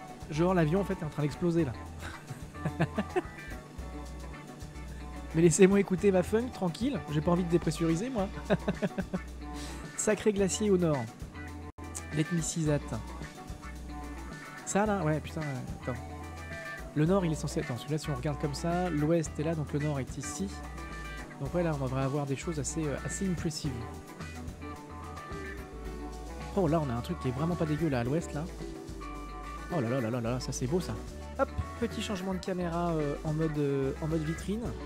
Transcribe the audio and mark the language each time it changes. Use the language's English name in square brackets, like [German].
[French] Genre l'avion en fait est en train d'exploser là. Mais laissez-moi écouter ma funk, tranquille. J'ai pas envie de dépressuriser, moi. Sacré glacier au nord. [English] Let me see that. [French] Ça, là? Ouais, putain. Attends. Le nord, il est censé... Attends, celui-là, si on regarde comme ça, l'ouest est là, donc le nord est ici. Donc ouais, là, on devrait avoir des choses assez, assez impressives. Oh, là, on a un truc qui est vraiment pas dégueu, là, à l'ouest, là. Oh là là là là là, ça, c'est beau, ça. Hop, petit changement de caméra en mode vitrine.